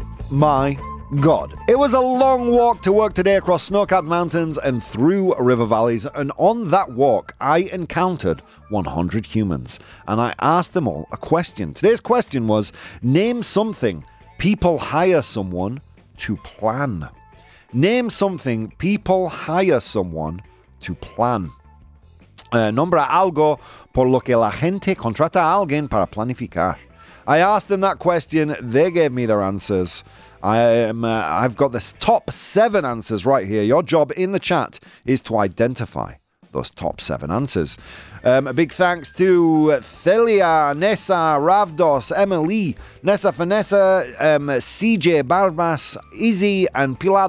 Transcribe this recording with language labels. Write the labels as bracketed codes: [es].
[en] my God. It was a long walk to work today across snow-capped mountains and through river valleys. And on that walk, I encountered 100 humans. And I asked them all a question. Today's question was, name something people hire someone to plan. Name something people hire someone to plan. [es] Nombra algo por lo que la gente contrata a alguien para planificar. [en] I asked them that question. They gave me their answers. I've got the top seven answers right here. Your job in the chat is to identify those top seven answers. A big thanks to Thelia, Nessa, Ravdos, Emily, Nessa, Vanessa, CJ, Barbas, Izzy, and Pilar.